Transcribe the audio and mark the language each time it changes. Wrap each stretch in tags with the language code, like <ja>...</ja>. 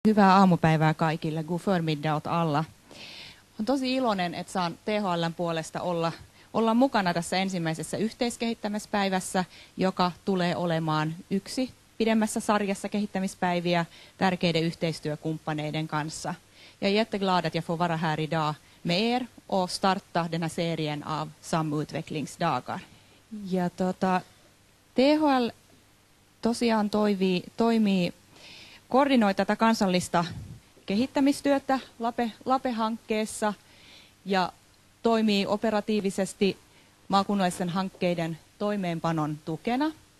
<fi>Hyvää aamupäivää kaikille.</fi> <sv>God förmiddag åt alla.</sv> <fi>On tosi iloinen, että saan THL:n puolesta olla mukana tässä ensimmäisessä yhteiskehittämispäivässä, joka tulee olemaan yksi pidemmässä sarjassa kehittämispäiviä tärkeiden yhteistyökumppaneiden kanssa.</fi> <sv>Jag är jätteglad att jag får vara här idag med er och starta den här serien av samutvecklingsdagar.</sv> <fi>Ja THL tosiaan toimii koordinoi tätä kansallista kehittämistyötä LAPE-hankkeessa ja toimii operatiivisesti maakunnallisten hankkeiden toimeenpanon tukena.</fi>